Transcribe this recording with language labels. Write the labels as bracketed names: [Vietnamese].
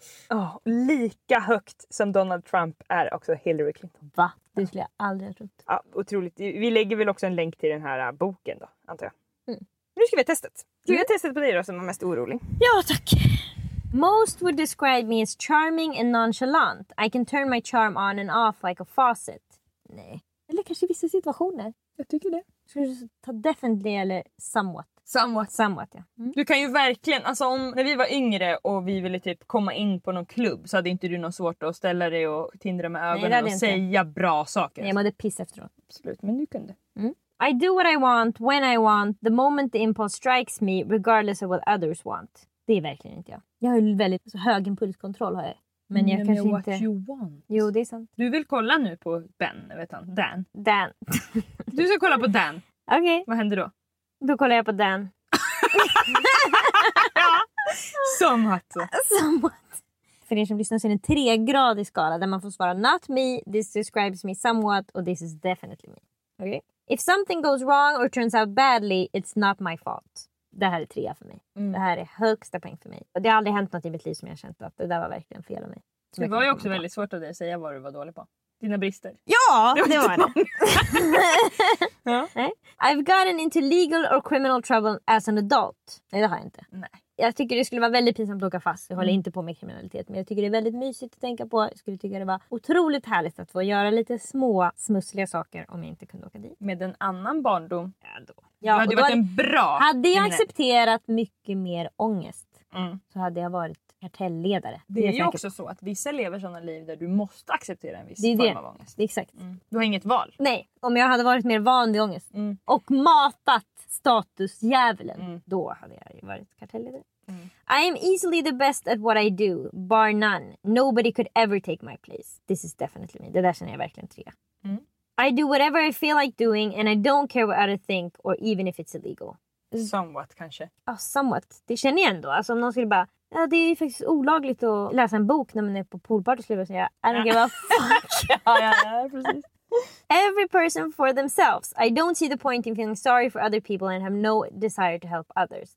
[Swedish] Oh, lika högt som Donald Trump är också Hillary Clinton. Va? Det skulle jag aldrig ha trott. Ja, otroligt. Vi lägger väl också en länk till den här boken då, antar jag. Nu ska vi ha testet. Ska vi ha testet på dig då som är mest orolig? Ja, tack. [English] Most would describe me as charming and nonchalant. I can turn my charm on and off like a faucet. [Swedish] Nej. Eller kanske i vissa situationer. Jag tycker det. Ska du ta definitely eller somewhat? [English] Somewhat. Somewhat, ja. [Swedish] Du kan ju verkligen, alltså om, när vi var yngre och vi ville typ komma in på någon klubb så hade inte du något svårt att ställa dig och tindra med ögonen. Nej, och säga bra saker. Nej, jag mådde piss efteråt. Absolut, men du kunde. [English] I do what I want, when I want, the moment the impulse strikes me, regardless of what others want. [Swedish] Det är verkligen inte jag. Jag har ju väldigt alltså, hög impulskontroll har jag. Men jag kanske [English] what [Swedish] inte... [English] you want. [Swedish] Jo, det är sant. Du vill kolla nu på Ben, vet han. Dan. Dan. Du ska kolla på Dan. Okej. Okay. Vad händer då? Då kollar jag på Dan. [English] Somewhat. Somewhat. [Swedish] För er som lyssnar så är det en 3-gradig skala där man får svara [English] not me, this describes me somewhat, [Swedish] och [English] this is definitely me. [Swedish] Okej. Okay. [English] If something goes wrong or turns out badly, it's not my fault. [Swedish] Det här är 3 för mig. Mm. Det här är högsta poäng för mig. Och det har aldrig hänt något i mitt liv som jag har känt att det där var verkligen fel av mig. Så det var ju också på. Väldigt svårt av dig att säga vad du var dålig på. Dina brister. Ja, det var det. Ja. Nej. [English] I've gotten into legal or criminal trouble as an adult. [Swedish] Nej, det har jag inte. Nej. Jag tycker det skulle vara väldigt pinsamt att åka fast. Jag håller inte på med kriminalitet. Men jag tycker det är väldigt mysigt att tänka på. Jag skulle tycka det var otroligt härligt att få göra lite små smussliga saker om jag inte kunde åka dit. Med en annan barndom. Ja, då. Ja, det hade varit en bra hade jag accepterat mycket mer ångest så hade jag varit kartellledare. Det är ju också så att vissa lever sådana liv där du måste acceptera en viss form av ångest. Det är exakt. Du har inget val. Nej, om jag hade varit mer van vid ångest och matat statusdjävulen, då hade jag ju varit kartellledare. [English] I am easily the best at what I do, bar none. Nobody could ever take my place. This is definitely me. [Swedish] Det där känner jag verkligen trea. [English] I do whatever I feel like doing and I don't care what others think or even if it's illegal. [Swedish] Somewhat, kanske. Ja, somewhat. Det känner jag ändå. Alltså om någon skulle bara, ja, det är ju faktiskt olagligt att läsa en bok när man är på poolparty och skulle säga, [English] I don't give a fuck. [Swedish] Ja, precis. [English] Every person for themselves. I don't see the point in feeling sorry for other people and have no desire to help others.